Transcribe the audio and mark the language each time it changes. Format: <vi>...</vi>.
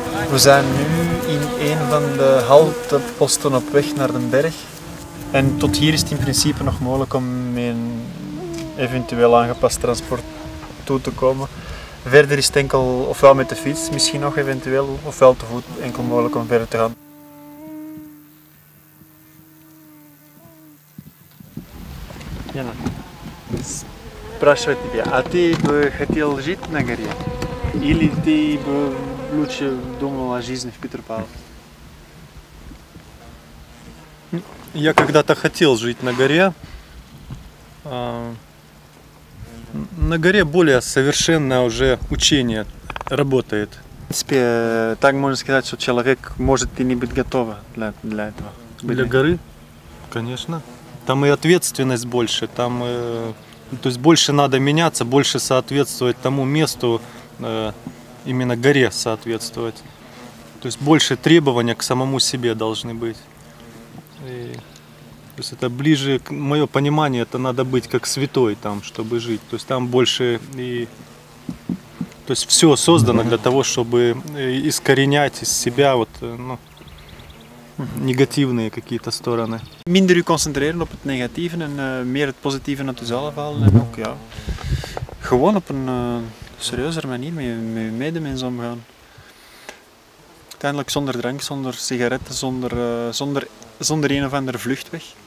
<nl>We zijn nu in een van de halteposten op weg naar de berg. En tot hier is het in principe nog mogelijk om met een eventueel aangepast transport toe te komen. Verder is het enkel ofwel met de fiets, misschien nog eventueel, ofwel te voet enkel mogelijk om verder te gaan.</nl> <ru>Jana, спрашивать тебя, а ты бы хотел жить на горе? Или ты бы лучше думал о жизни в Петропавловске? Я когда-то хотел жить на горе. На горе более совершенное уже учение работает. принципе, так можно сказать, что человек может и не быть готов для этого. Для горы? Конечно. Там и ответственность больше, там, то есть больше надо меняться, больше соответствовать тому месту, именно горе соответствовать. То есть больше требования к самому себе должны быть. И, то есть это ближе, к мое понимание, это надо быть как святой там, чтобы жить. То есть там больше и... То есть все создано для того, чтобы искоренять из себя вот, ну, негативные какие-то стороны.</ru> <nl>Minder je concentreren op het negatieve en meer het positieve naar jezelf halen. En ook, ja, gewoon op een serieuzere manier met je medemens omgaan. Uiteindelijk zonder drank, zonder sigaretten, zonder een of ander vluchtweg.</nl>